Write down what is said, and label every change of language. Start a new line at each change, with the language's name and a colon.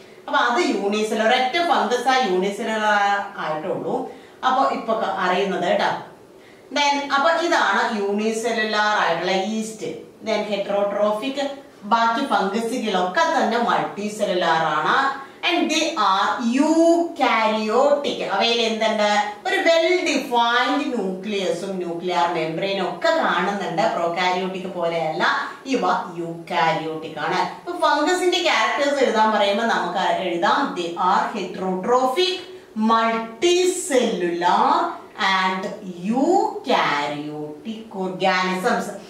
Malayalam: അപ്പൊ അത് യൂണിസെല്ലുലർ, ഒറ്റ ഫംഗസ് ആ യൂണിസെല്ലുലാർ ആയിട്ടുള്ളൂ. അപ്പൊ ഇപ്പൊ അറിയുന്നത് കേട്ടോ. ദെൻ അപ്പൊ ഇതാണ് യൂണിസെല്ലുലാർ ആയിട്ടുള്ള ഈസ്റ്റ്. ദെൻ ഹെറ്ററോട്രോഫിക്, ബാക്കി ഫംഗസുകളൊക്കെ തന്നെ മൾട്ടി സെല്ലുലാർ ആണ്.
English: And they are eukaryotic.
Malayalam: അവയിൽ എന്തുണ്ട്, ഒരു വെൽ ഡിഫൈൻഡ് ന്യൂക്ലിയസും ന്യൂക്ലിയാർ മെംബ്രെയിനും ഒക്കെ കാണുന്നുണ്ട്. പ്രോകാരിയോട്ടിക് പോലെയല്ല ഇവ, യൂകാരിയോട്ടിക് ആണ്. ഇപ്പൊ ഫംഗസിന്റെ ക്യാരക്ടേഴ്സ് എഴുതാൻ പറയുമ്പോൾ നമുക്ക് എഴുതാം,
English: They are heterotrophic, multicellular and eukaryotic organisms.